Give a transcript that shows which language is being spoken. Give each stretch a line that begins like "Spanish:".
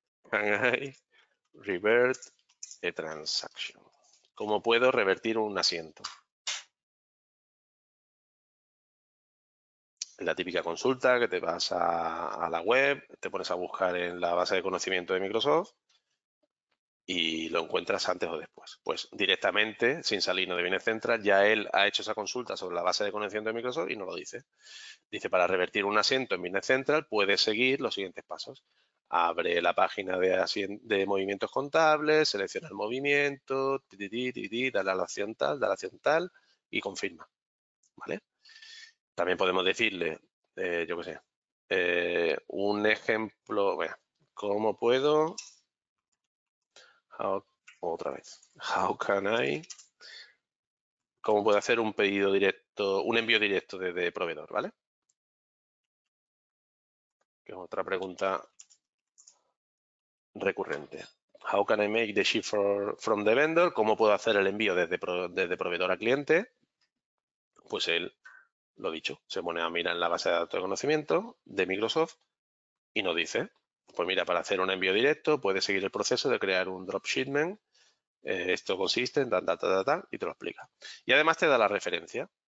English: Can I revert a transaction?
Spanish: ¿Cómo puedo revertir un asiento? La típica consulta que te vas a la web, te pones a buscar en la base de conocimiento de Microsoft y lo encuentras antes o después. Pues directamente, sin salirnos de Business Central, ya él ha hecho esa consulta sobre la base de conocimiento de Microsoft y nos lo dice. Dice, para revertir un asiento en Business Central, puedes seguir los siguientes pasos. Abre la página de movimientos contables, selecciona el movimiento, dale a la opción tal, dale a la opción tal y confirma. ¿Vale? También podemos decirle, yo qué sé, un ejemplo, bueno, ¿cómo puedo? Otra vez,
English: how can I?
Spanish: ¿Cómo puedo hacer un pedido directo, un envío directo desde proveedor? ¿Vale? Que es otra pregunta recurrente.
English: How can I make the ship from the vendor?
Spanish: ¿Cómo puedo hacer el envío desde proveedor a cliente? Pues él, lo dicho, se pone a mirar en la base de datos de conocimiento de Microsoft y nos dice, pues mira, para hacer un envío directo puedes seguir el proceso de crear un dropshipment. Esto consiste en tal, tal, tal, tal, y te lo explica. Y además te da la referencia.